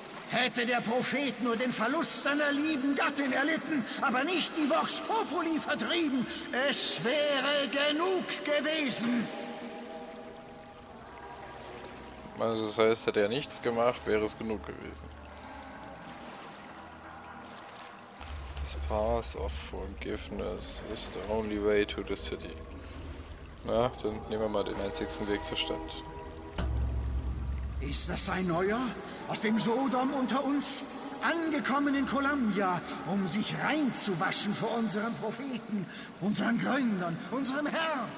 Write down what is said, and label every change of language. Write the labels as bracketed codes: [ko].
[de] Hätte der Prophet nur den Verlust seiner lieben Gattin erlitten, aber nicht die Vox Populi vertrieben, es wäre genug gewesen. Also das heißt, hätte er nichts gemacht, wäre es genug gewesen. [en] This path of forgiveness is the only way to the city. [de] Na, dann nehmen wir mal den einzigsten Weg zur Stadt. Ist das ein neuer? Aus dem Sodom unter uns, angekommen in Columbia, um sich reinzuwaschen vor unseren Propheten, unseren Gründern, unserem Herrn.